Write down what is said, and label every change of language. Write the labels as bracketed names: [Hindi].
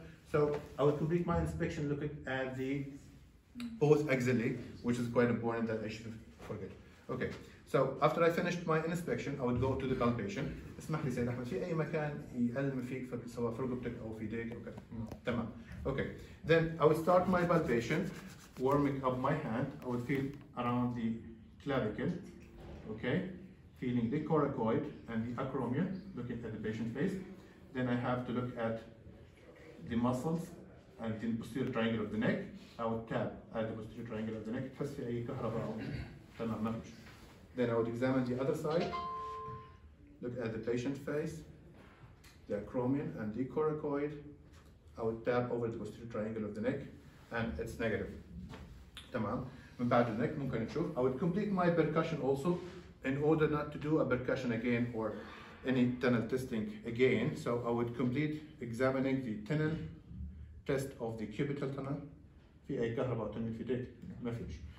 [English] So I will complete my inspection looking at the both axillary, which is quite important that I shouldn't forget. Okay, so after I finished my inspection, I would go to the palpation. [Arabic] اسمح لي سيد أحمد في أي مكان يألم فيك سواء في رقبتك أو في يديك. Okay, تمام. [English] Okay, then I would start my palpation, warming up my hand. I would feel around the clavicle. Okay, feeling the coracoid and the acromion, looking at the patient's face. Then I have to look at the muscles and the posterior triangle of the neck. I would tap at the posterior triangle of the neck. Then I would examine the other side, look at the patient's face, the acromion and the coracoid. I would tap over the posterior triangle of the neck and it's negative. [Arabic] من بعد الneck ممكن نشوف. [English] I would complete my percussion also in order not to do a percussion again or any tunnel testing again. So I would complete examining the tunnel test of the cubital tunnel. [Arabic] في أي كهرباء تنين في ديك ما فيش.